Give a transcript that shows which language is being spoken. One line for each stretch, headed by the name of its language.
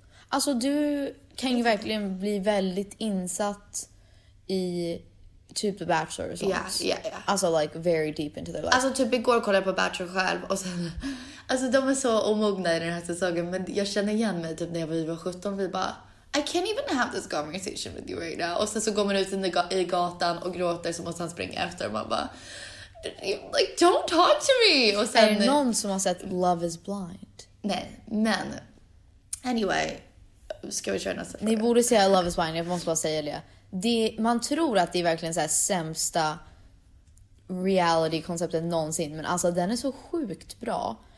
Swedish: Alltså, du kan ju verkligen bli väldigt insatt i typ The Bachelor och sånt. Ja.
English: Alltså, like, very deep into their life.
Swedish: Alltså, typ igår kollade jag på Bachelor själv och sen... Alltså, de är så omogna i den här säsongen, men jag känner igen mig typ när vi var 17. Vi bara...
English: I can't even have this conversation with you right now.
Swedish: Och sen så går man ut i gatan och gråter, så måste han springa efter. Och man bara, like,
English: don't talk to me.
Swedish: Och sen, är det någon som har sett Love is Blind? Nej, men anyway, ska vi köra nästa fråga? Ni borde säga Love is Blind, jag måste bara säga det. Det, man tror att det är verkligen så här sämsta reality-konceptet någonsin, men alltså den är så sjukt bra.